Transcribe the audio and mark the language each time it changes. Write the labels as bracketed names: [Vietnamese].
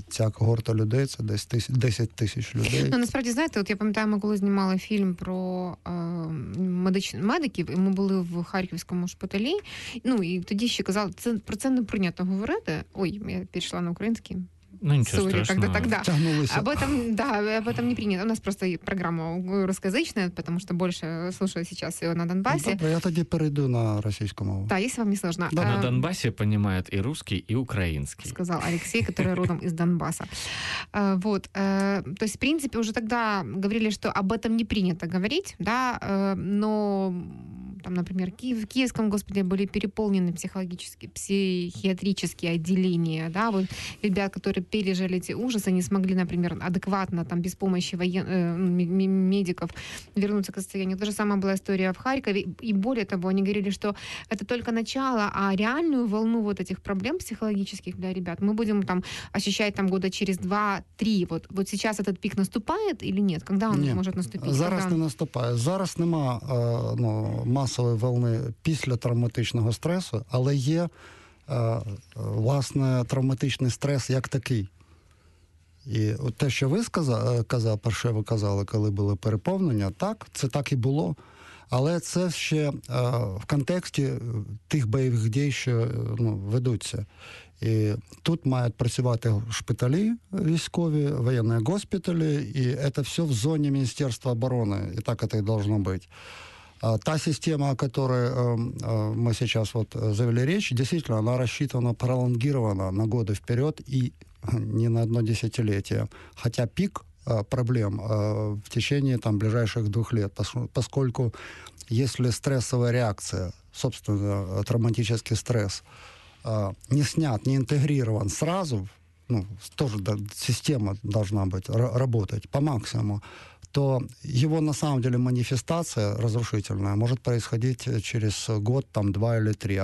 [Ukrainian] Ця когорта людей – це десь 10 тисяч людей. Ну, насправді, знаєте, от я пам'ятаю, ми коли знімали фільм про медиків, і ми були в Харківському шпиталі, ну, і тоді ще казали, це, про це не прийнято говорити. Ой, я перейшла на український. Ну, нічого страшного. Так, втягнулися. [Russian] Об этом, да, об этом не принято. У нас просто программа русскоязычная, потому что больше слушаю сейчас ее на Донбассе. [Ukrainian] Добре, я тоді перейду на російську мову. [Russian] Да, если вам не сложно. Да. На Донбассе понимают и русский, и украинский. Сказал Алексей, который родом из Донбасса. Вот. То есть, в принципе, уже тогда говорили, что об этом не принято говорить, да, но... Там, например, в Киевском госпитале были переполнены психологические, психиатрические отделения, да, вот ребят, которые пережили эти ужасы, не смогли, например, адекватно, там, без помощи медиков вернуться к состоянию. То же самое была история в Харькове, и более того, они говорили, что это только начало, а реальную волну вот этих проблем психологических для ребят мы будем там ощущать там года через 2-3. Вот, вот сейчас этот пик наступает или нет? Когда он нет, может наступить? [Ukrainian] Зараз не наступает. Зараз нема, ну, масштаба фінансової волни після травматичного стресу, але є власне травматичний стрес як такий. І от те, що ви сказали, перше ви казали, коли були переповнення, так, це так і було. Але це ще в контексті тих бойових дій, що ведуться. І тут мають працювати шпиталі військові, воєнні госпіталі, і це все в зоні Міністерства оборони. І так це і має бути. [Russian] Та система, о которой мы сейчас вот завели речь, действительно, она рассчитана, пролонгирована на годы вперед и не на одно десятилетие. Хотя пик проблем в течение там, ближайших 2 лет, поскольку если стрессовая реакция, собственно, травматический стресс, не снят, не интегрирован сразу, тоже система должна быть, работать по максимуму, то его на самом деле манифестация разрушительная может происходить через год, там, 2 или 3.